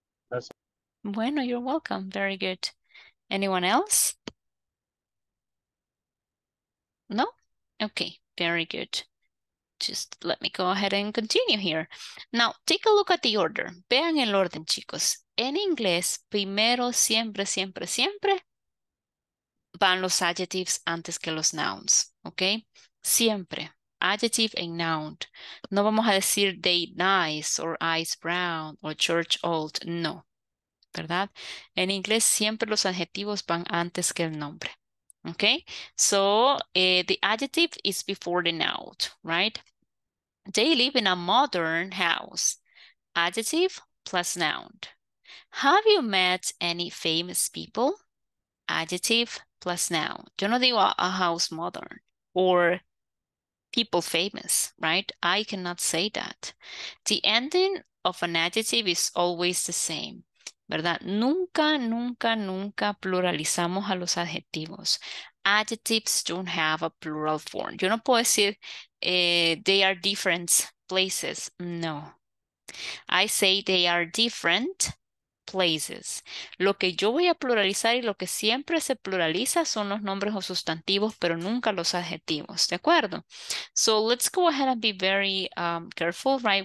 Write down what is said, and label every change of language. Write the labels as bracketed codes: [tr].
[en] That's... Bueno, you're welcome. Very good. Anyone else? No? Okay, very good. Just let me go ahead and continue here. Now, take a look at the order. [es] Vean el orden, chicos. En inglés, primero, siempre, siempre, siempre, van los adjectives antes que los nouns, okay? [en] Siempre, adjective and noun. [es] No vamos a decir [en] day nice, or eyes brown, or church old, no. [es] ¿Verdad? En inglés, siempre los adjetivos van antes que el nombre. [en] Okay, so the adjective is before the noun, right? They live in a modern house. Adjective plus noun. Have you met any famous people? Adjective plus noun. [es] Yo no digo [en] a house modern or people famous, right? I cannot say that. The ending of an adjective is always the same. [es] ¿Verdad? Nunca, nunca, nunca pluralizamos a los adjetivos. [en] Adjectives don't have a plural form. [es] Yo no puedo decir [en] they are different places. No. I say they are different places. [es] Lo que yo voy a pluralizar y lo que siempre se pluraliza son los nombres o sustantivos, pero nunca los adjetivos. ¿De acuerdo? [en] So let's go ahead and be very careful, right?